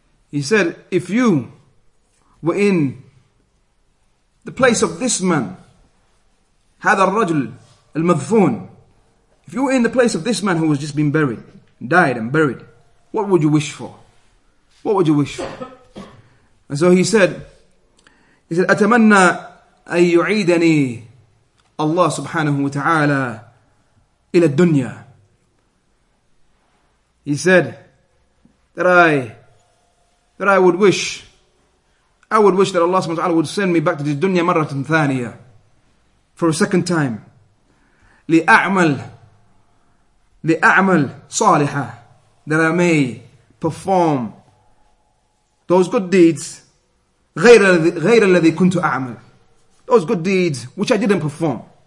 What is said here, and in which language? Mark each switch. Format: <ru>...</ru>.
<en>He said, if you were in the place of this man,</en> <ar>هذا الرجل المدفون,</ar> <en>if you were in the place of this man who was just been buried, died and buried, what would you wish for? What would you wish for? And so he said,</en> <ar>أتمنى أن يعيدني الله سبحانه وتعالى إلى الدنيا.</ar> <en>He said that I would wish that Allah subhanahu wa ta'ala would send me back to this dunya marratan thaniya, for a second time.</en> <ar>لِأَعْمَلْ صَالِحًا,</ar> <en>that I may perform those good deeds,</en> <ar>غَيْرَ الَّذِي كُنْتُ أَعْمَلْ,</ar> <en>those good deeds which I didn't perform.</en>